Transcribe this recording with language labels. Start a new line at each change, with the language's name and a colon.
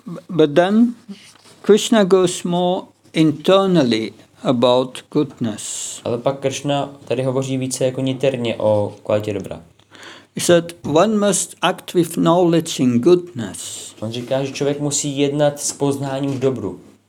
English: But then Krishna goes more internally about goodness.
Czech: Ale pak Krishna tady hovoří více jako niterně o kvalitě dobra.
English: He said, one must act with knowledge in goodness.
Czech: On říká, že člověk musí jednat s poznáním v dobru.